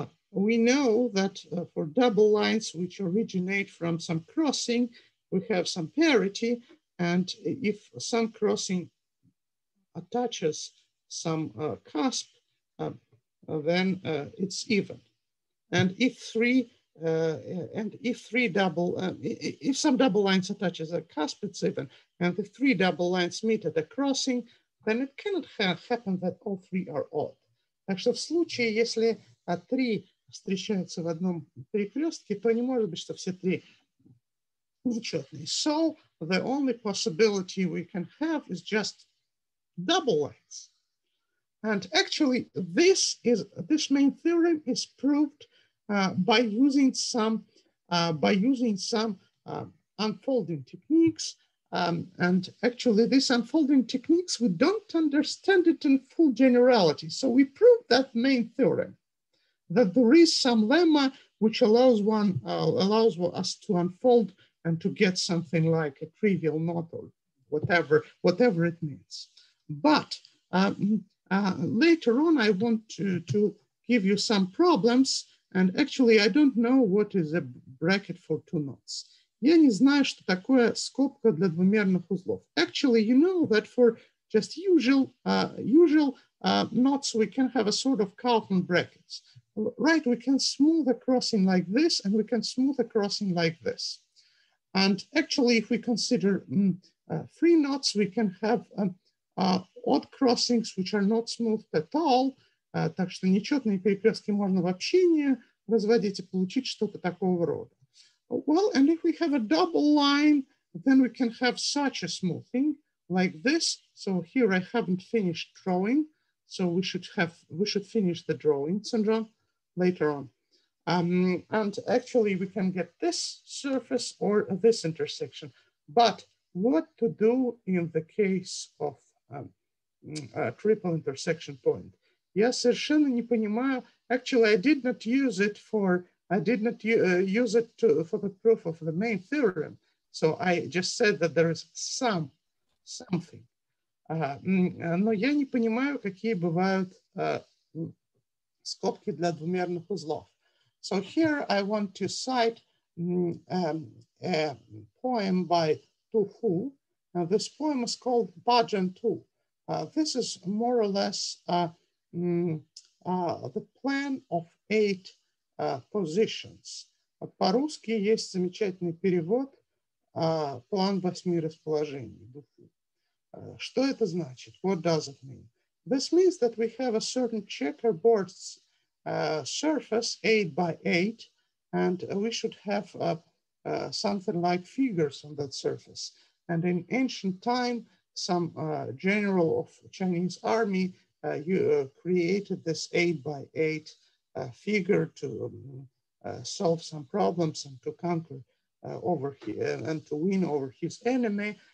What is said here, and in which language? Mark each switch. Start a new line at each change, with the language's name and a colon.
English: We know that for double lines which originate from some crossing, we have some parity, and if some crossing attaches some cusp, then it's even. And if some double lines attaches a cusp, it's even. And if three double lines meet at a crossing, then it cannot happen that all three are odd.
Russian: Так что в случае, если три встречаются в одном перекрестке, то не может быть, что все три нечетные.
English: So the only possibility we can have is just double lines. And actually, this main theorem is proved by using some unfolding techniques. This unfolding techniques, we don't understand it in full generality. So we proved that main theorem, that there is some lemma which allows us to unfold and to get something like a trivial knot or whatever it means. But later on, I want to give you some problems. And actually, I don't know what is a bracket for two knots.
Russian: Я не знаю, что такое скобка для двумерных узлов.
English: Actually, you know that for just usual knots, we can have a sort of Calhoun brackets. Right, we can smooth a crossing like this, and we can smooth a crossing like this. And actually, if we consider free knots, we can have odd crossings, which are not smooth at all.
Russian: Так что нечетные перекрестки можно вообще не разводить и получить что-то такого рода.
English: Well, and if we have a double line, then we can have such a smoothing like this. So here I haven't finished drawing, so we should finish the drawing, Sandra, later on. And actually we can get this surface or this intersection, but what to do in the case of a triple intersection point?
Russian: Я совершенно не понимаю.
English: Actually, I did not use it for the proof of the main theorem. So I just said that there is something.
Russian: Но я не понимаю, какие бывают скобки для двумерных узлов.
English: So here I want to cite a poem by Tu Fu. Now this poem is called Bajan Tu. This is more or less the plan of eight positions.
Russian: По-русски есть замечательный перевод «План восьми расположений». Что это значит?
English: What does it mean? This means that we have a certain checkerboard surface, 8x8, and we should have something like figures on that surface. And in ancient time, some general of Chinese army created this 8x8 figure to solve some problems and to conquer over here and to win over his enemy.